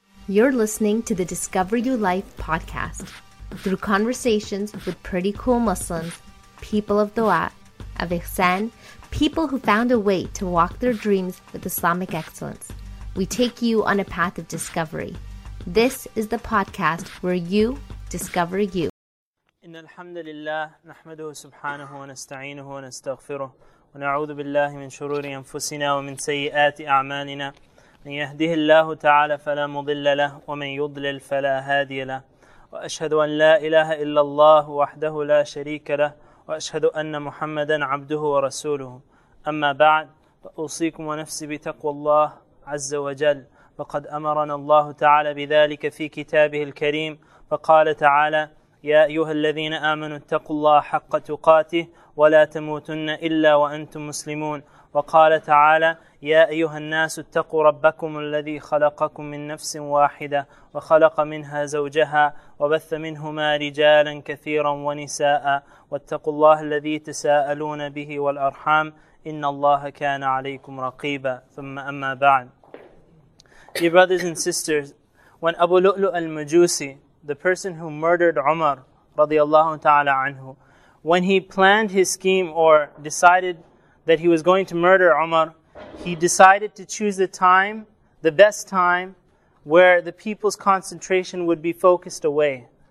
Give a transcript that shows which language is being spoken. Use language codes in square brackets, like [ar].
[en] You're listening to the Discover You Life podcast. Through conversations with pretty cool Muslims, people of Dua, of Ihsan, people who found a way to walk their dreams with Islamic excellence, we take you on a path of discovery. This is the podcast where you discover you. [ar] إن الحمد لله نحمده سبحانه ونستعينه ونستغفره ونعوذ بالله من شرور أنفسنا ومن سيئات أعمالنا من يهده الله تعالى فلا مضل له ومن يضلل فلا هادي له وأشهد أن لا إله إلا الله وحده لا شريك له وأشهد أن محمدا عبده ورسوله أما بعد فأوصيكم ونفسي بتقوى الله عز وجل وقد أمرنا الله تعالى بذلك في كتابه الكريم فقال تعالى يا أيها الذين آمنوا اتقوا الله حق تقاته ولا تموتن إلا وأنتم مسلمون وقال تعالى يا أيها الناس اتقوا ربكم الذي خلقكم من نفس واحدة وخلق منها زوجها وبث منهما رجالا كثيرا ونساء واتقوا الله الذي تساءلون به والأرحام إن الله كان عليكم رقيبا ثم أما بعد. [en] Dear brothers and sisters, when Abu Lu'lu' al-Majusi, the person who murdered Umar radiallahu ta'ala anhu, when he planned his scheme or decided that he was going to murder Umar, he decided to choose a time, the best time, where the people's concentration would be focused away.